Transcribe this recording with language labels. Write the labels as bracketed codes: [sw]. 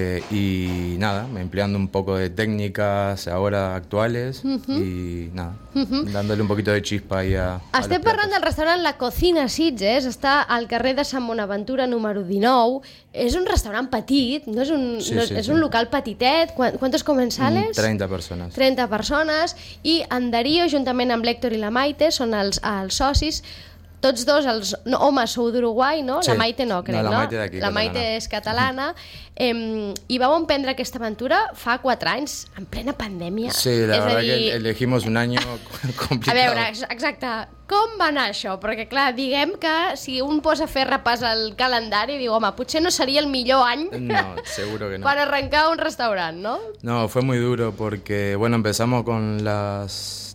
[es] y nada, empleando un poco de técnicas ahora actuales uh-huh. y nada, uh-huh. dándole un poquito de chispa ahí a [ca] estem parlant del restaurant La Cocina Sitges, està al carrer de Sant Bonaventura número 19. És un restaurant petit, no és un, sí, no, sí, és sí. un local petitet. Quants comensales? 30 persones. 30 persones i en Darío, juntament amb l'Héctor i la Maite, són els socis. Tots dos, els no, homes, sou d'Uruguai, no? Sí. La Maite no, crec, no? La Maite d'aquí, la Maite catalana. És catalana. I vau emprendre aquesta aventura fa 4 anys, en plena pandèmia. [es] Sí, la verdad que elegimos un año complicado. [ca] A veure, exacte, com va anar això? Perquè, clar, diguem que si un posa a fer repàs al calendari, diu, home, potser no seria el millor any [es] no, seguro que no. [ca] per arrencar un restaurant, no? [es] No, fue muy duro porque, bueno, empezamos con las...